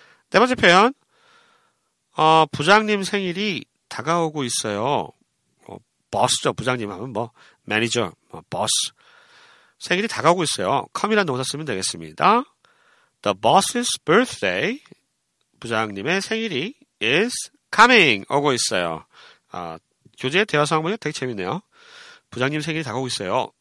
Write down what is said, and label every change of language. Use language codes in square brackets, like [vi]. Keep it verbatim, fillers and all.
[ko] 네 번째 표현. 어, 부장님 생일이 다가오고 있어요. 어, 버스죠. 부장님 하면 뭐 매니저, 뭐 버스. 생일이 다가오고 있어요. come이라는 동사 쓰면 되겠습니다. [en] The boss's birthday, [ko] 부장님의 생일이 [en] is coming, [ko] 오고 있어요. 아, 교재의 대화 상황 보니까 되게 재밌네요. 부장님 생일이 다가오고 있어요.